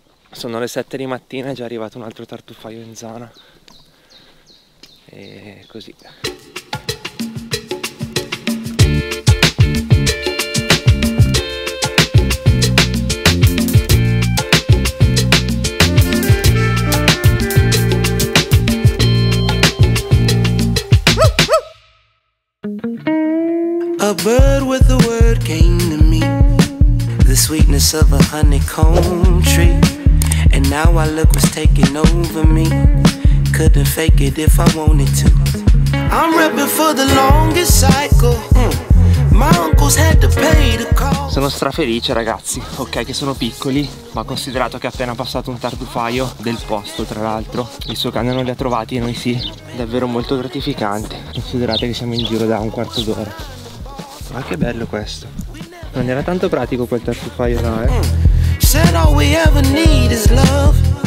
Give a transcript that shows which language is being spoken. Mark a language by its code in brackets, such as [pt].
[it] Sono le 7 di mattina, è già arrivato un altro tartufaio in zana. E così. [en] A bird with a word came to me, the sweetness of a honeycomb tree. And now I look what's taking over me, couldn't fake it if I wanted to. I'm repping for the longest cycle. My uncles had to pay the cost. [it] Sono strafelice, ragazzi, ok che sono piccoli, ma considerato che è appena passato un tartufaio del posto, tra l'altro il suo cane non li ha trovati e noi sì, davvero molto gratificante. Considerate che siamo in giro da un quarto d'ora. Ma che bello questo. Non era tanto pratico quel tartufaio là, eh? [en] Said all we ever need is love.